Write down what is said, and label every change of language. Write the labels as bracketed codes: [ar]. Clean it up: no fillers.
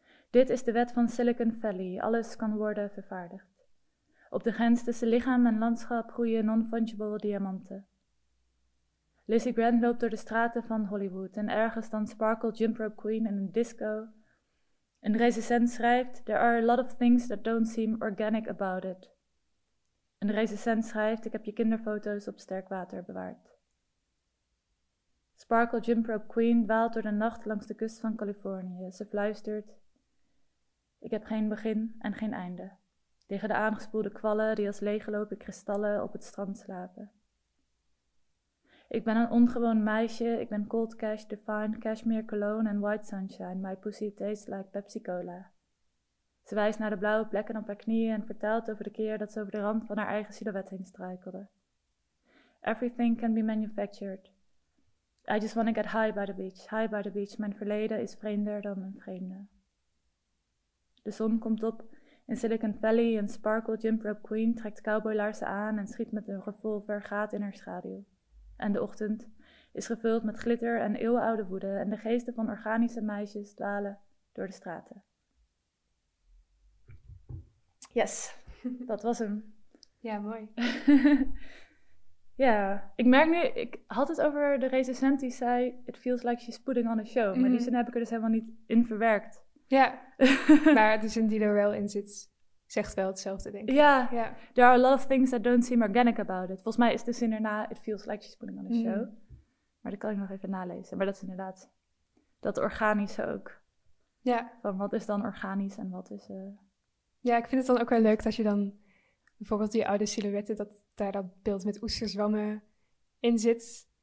[nl] Dit is de wet van Silicon Valley, alles kan worden vervaardigd. Op de grens tussen lichaam en landschap groeien non-fungible diamanten. Lizzie Grant loopt door de straten van Hollywood en ergens dan Sparkle Jump Rope Queen in een disco. Een recensent schrijft, [en] there are a lot of things that don't seem organic about it. [nl] Een recensent schrijft, ik heb je kinderfoto's op sterk water bewaard. Sparkle Jump Rope Queen dwaalt door de nacht langs de kust van Californië. Ze fluistert, ik heb geen begin en geen einde. Tegen de aangespoelde kwallen die als leeglopen kristallen op het strand slapen. Ik ben een ongewoon meisje, ik ben [en] cold cash, define, cashmere cologne [nl] en [en] white sunshine. My pussy tastes like Pepsi Cola. [nl] Ze wijst naar de blauwe plekken op haar knieën en vertelt over de keer dat ze over de rand van haar eigen silhouet heen struikelde. [en] Everything can be manufactured. I just want to get high by the beach, high by the beach. [nl] Mijn verleden is vreemder dan mijn vreemde. De zon komt op in Silicon Valley en Sparkle Jump Rope Queen trekt cowboylaarzen aan en schiet met een revolver gaat in haar schaduw. En de ochtend is gevuld met glitter en eeuwenoude woede en de geesten van organische meisjes dwalen door de straten. Yes, dat was hem. Ja, mooi. Ja, ik merk nu, ik had het over de recensent die zei, [en] it feels like she's putting on a show. [nl] Mm-hmm. Maar die zin heb ik er dus helemaal niet in verwerkt. Ja, maar de zin die er wel in zit, zegt wel hetzelfde, denk ik. Ja, yeah. [en] There are a lot of things that don't seem organic about it. [nl] Volgens mij is de zin erna, [en] it feels like she's putting on a show. [nl] Maar dat kan ik nog even nalezen. Maar dat is inderdaad dat organische ook. Ja. Van wat is dan organisch en wat is... Ja, ik vind het dan ook wel leuk dat je dan... Bijvoorbeeld die oude silhouetten, dat daar dat beeld met oesterzwammen in zit.